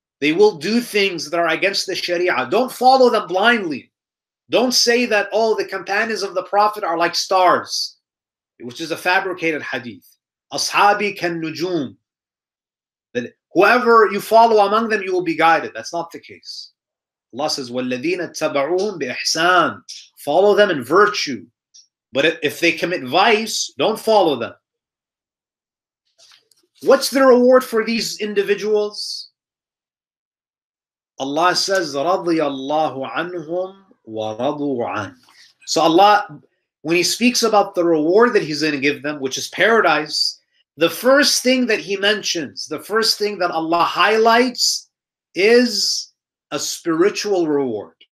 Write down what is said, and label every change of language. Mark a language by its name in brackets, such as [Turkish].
[English] They will do things that are against the sharia. Don't follow them blindly. Don't say that, oh, the companions of the Prophet are like stars, which is a fabricated hadith. Ashabi kan nujum. That whoever you follow among them, you will be guided. That's not the case. Allah says, [Arabic] وَالَّذِينَ اتَّبَعُوهُمْ بِإِحْسَانٍ. [English] Follow them in virtue. But if they commit vice, don't follow them. What's the reward for these individuals? Allah says, [Arabic] رَضِيَ اللَّهُ عَنْهُمْ وَرَضُوا عَنْهُ. [English] So Allah, when He speaks about the reward that He's going to give them, which is paradise, the first thing that He mentions, the first thing that Allah highlights is a spiritual reward.